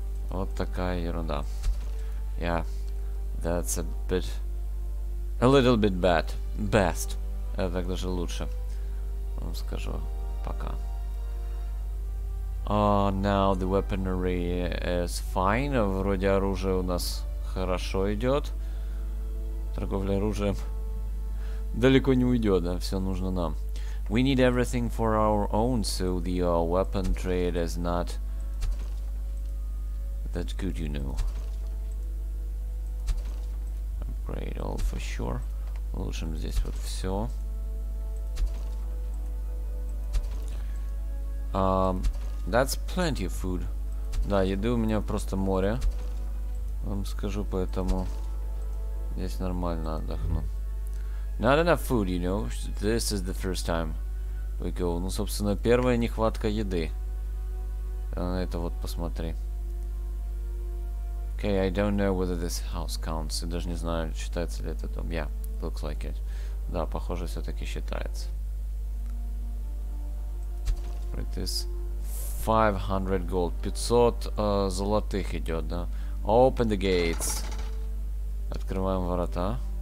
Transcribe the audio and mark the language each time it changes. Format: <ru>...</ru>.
<ru>Вот такая ерунда.</ru> <en>Yeah, that's a bit... A little bit bad. Best.</en> <ru>Это так даже лучше. Вам скажу пока.</ru> <en>Now the weaponry is fine.</en> <ru>Вроде оружие у нас хорошо идет. Торговля оружием далеко не уйдет, да? Все нужно нам.</ru> <en>We need everything for our own, so the weapon trade is not... That's good, you know. Upgrade all for sure.</en> <ru>Улучшим здесь вот все.</ru> <en>That's plenty of food.</en> <ru>Да, еды у меня просто море. Вам скажу, поэтому здесь нормально отдохну.</ru> <en>Not enough food, you know. This is the first time we go.</en> <ru>Ну, собственно, первая нехватка еды. На это вот посмотри.</ru> <en>Okay, I don't know whether this house counts.</en> <ru>Я даже не знаю, считается ли этот дом.</ru> <en>Yeah, looks like it.</en> <ru>Да, похоже, все-таки считается.</ru> <en>It is 500 gold.</en> <ru>500 золотых идет, да?</ru> <en>Open the gates.</en> <ru>Открываем ворота.</ru>